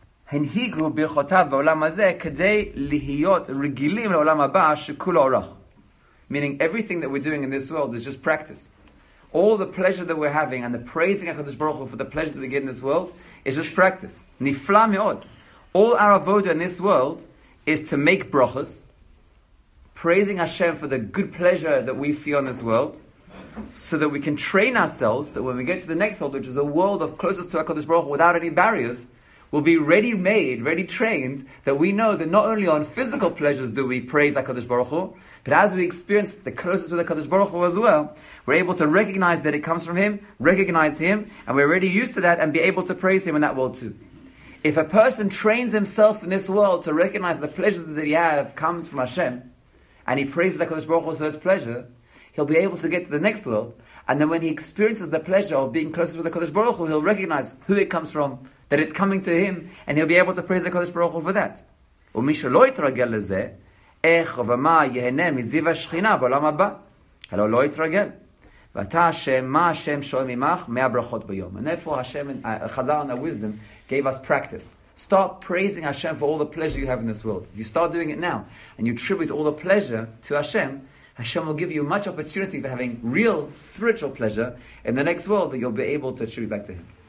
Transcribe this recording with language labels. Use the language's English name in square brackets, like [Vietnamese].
[Hebrew] הנהיגו ברכותיו בעולם הזה כדי להיות רגילים לעולם הבא שכולו אורך. [English] Meaning everything that we're doing in this world is just practice. All the pleasure that we're having and the praising HaKadosh Baruch Hu for the pleasure that we get in this world is just practice. [Hebrew] נפלא מאוד. [English] All our avoda in this world is to make brachas, praising Hashem for the good pleasure that we feel in this world, so that we can train ourselves that when we get to the next world, which is a world of closest to HaKadosh Baruch Hu without any barriers, will be ready-made, ready-trained, that we know that not only on physical pleasures do we praise HaKadosh Baruch Hu, but as we experience the closest with HaKadosh Baruch Hu as well, we're able to recognize that it comes from Him, recognize Him, and we're already used to that and be able to praise Him in that world too. If a person trains himself in this world to recognize the pleasures that he have comes from Hashem, and he praises HaKadosh Baruch Hu for his pleasure, he'll be able to get to the next world, and then when he experiences the pleasure of being closest with HaKadosh Baruch Hu, he'll recognize who it comes from, that it's coming to him, and he'll be able to praise the Kodesh Baruch Hu for that. [Hebrew] ומי שלא יתרגל לזה, איך ומה יהנה מזיו השכינה בעולם הבא? הלא לא יתרגל. ואתה השם, מה השם שואל ממך? מאה ברכות ביום. [English] And therefore Hashem, Chazal and the wisdom, gave us practice. Start praising Hashem for all the pleasure you have in this world. If you start doing it now, and you attribute all the pleasure to Hashem, Hashem will give you much opportunity for having real spiritual pleasure in the next world that you'll be able to attribute back to Him.